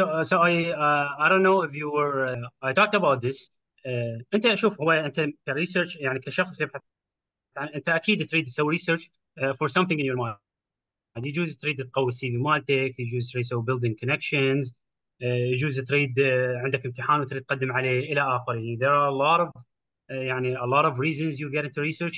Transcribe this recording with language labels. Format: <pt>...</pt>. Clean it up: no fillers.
<en>So I don't know if you were I talked about this.</en> <ar>أنت شوف, هو أنت كريسيرش يعني كشخص يبحث, أنت أكيد تريد تسوي ريسيرش</ar> <en>for something in your mind.</en> <ar>يجوز تريد تقوي السي في مالتك, يجوز تريد تسوي</ar> <en>building connections,</en> <ar>يجوز تريد عندك امتحان وتريد تقدم عليه إلى آخره.</ar> <en>There are a lot of يعني a lot of reasons you get into research.</en>